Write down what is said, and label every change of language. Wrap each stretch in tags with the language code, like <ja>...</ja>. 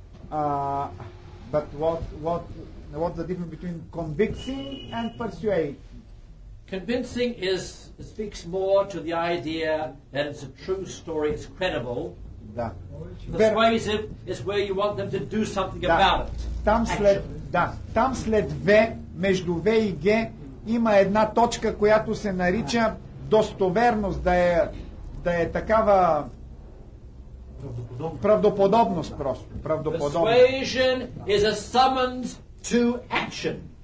<en>But what's the difference between convincing and persuade? Convincing is speaks more to the idea that it's a true story, it's credible.</en> <bg>Да.</bg> <en>Persuasive is where you want them to do something</en> <bg>да.</bg> <en>About it.</en> <bg>Там след V, между V и G, има една точка, която се нарича достоверност, да е такава правдоподобност просто. Правдоподобност.</bg> <en>Persuasion is a summons to action.</en>